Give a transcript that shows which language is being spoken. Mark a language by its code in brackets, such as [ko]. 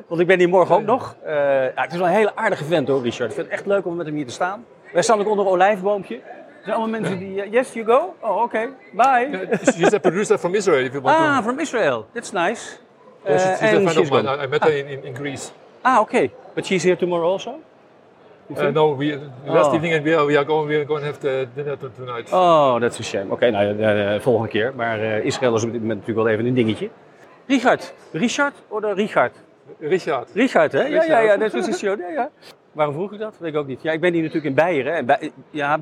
[nl] Want ik ben hier morgen ook nog. Het is wel een hele aardige vent hoor, Richard. Ik vind het echt leuk om met hem hier te staan. Wij staan ook onder een olijfboompje. Er zijn allemaal mensen die... [en] yes, you go? Oh, oké. Okay. Bye. She's a producer from Israel, if you want to... Ah, from Israel. That's nice. She's a friend of mine. I met her in Greece. Ah, oké. Okay. But she's here tomorrow also? No, last evening and we are going to have the dinner tonight. Oh, that's a shame. Oké, [nl] volgende keer. Maar Israël is op dit moment natuurlijk wel even een dingetje. Richard, hè? Ja, dat is een show. Waarom vroeg ik dat? Weet ik ook niet. Ja, ik ben hier natuurlijk in Beieren.